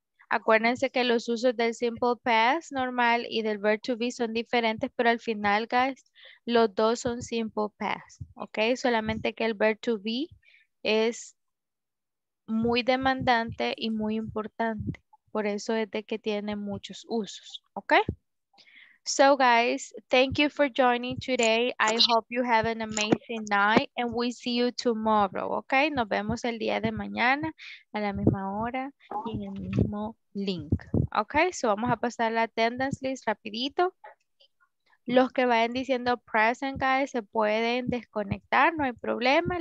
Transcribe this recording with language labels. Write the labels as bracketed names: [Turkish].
[Spanish] Acuérdense que los usos del simple past normal y del verb to be son diferentes, pero al final, guys, los dos son simple past, ¿ok? Solamente que el verb to be es muy demandante y muy importante. Por eso es de que tiene muchos usos, ¿ok? [English] So, guys, thank you for joining today. I hope you have an amazing night and we see you tomorrow, okay? [Spanish] Nos vemos el día de mañana a la misma hora y en el mismo link, okay? So, vamos a pasar la attendance list rapidito. Los que vayan diciendo present, guys, se pueden desconectar, no hay problema.